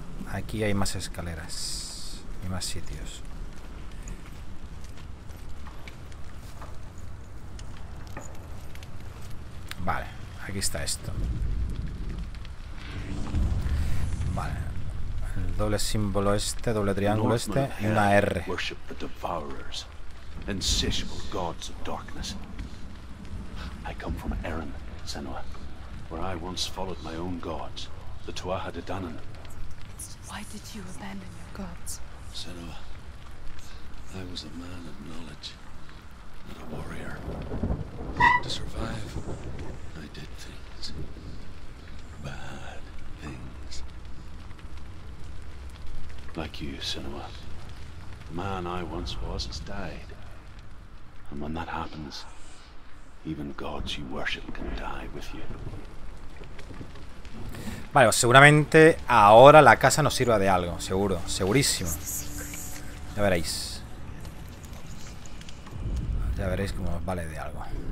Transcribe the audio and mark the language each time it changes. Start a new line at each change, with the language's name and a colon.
Spanish: Aquí hay más escaleras y más sitios. Vale, aquí está esto. Vale, el doble símbolo este, doble triángulo este y una R.
English: Worship the devourers, insatiable gods of darkness. I come from Eren, Senua. Where I once followed my own gods, the Tuatha De Danann. Why did you abandon your gods? Senua, I was a man of knowledge and a warrior. To survive, I did things. Bad things. Like you, Senua, the man I once was has died. And when that happens, even gods you worship can die with you.
Spanish: Vale, seguramente ahora la casa nos sirva de algo. Seguro, segurísimo. Ya veréis. Ya veréis cómo vale de algo.